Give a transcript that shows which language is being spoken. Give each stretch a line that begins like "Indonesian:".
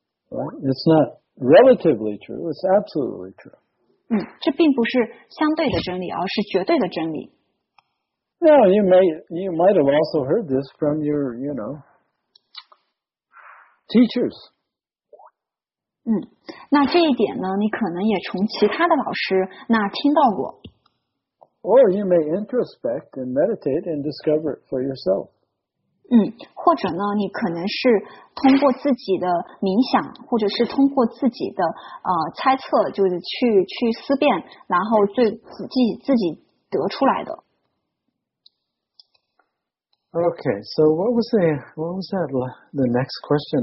English: Well, it's not relatively true, it's absolutely true.
Chinese: 这并不是相对的真理，而是绝对的真理。
English: No, you might have also heard this from your, you know, teachers.
Chinese: 那这一点呢，你可能也从其他的老师那听到过。
English: Or you may introspect and meditate and discover it for yourself.
Chinese: 或者呢你可能是通过自己的冥想，或者是通过自己的猜测，就是去思辨，然后自己得出来的。
English: Okay, so what was that the next question?